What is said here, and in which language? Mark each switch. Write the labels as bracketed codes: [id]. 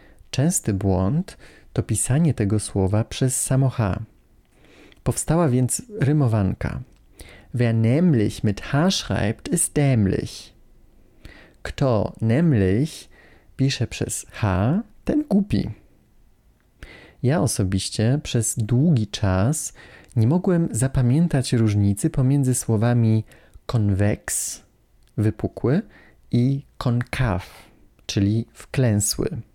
[pl] Częsty błąd to pisanie tego słowa przez samo H. Powstała więc rymowanka. [de] Wer nämlich mit H schreibt, ist dämlich. [pl] Kto nämlich pisze przez H, ten głupi. Ja osobiście przez długi czas nie mogłem zapamiętać różnicy pomiędzy słowami konwex, wypukły, i konkaw, czyli wklęsły.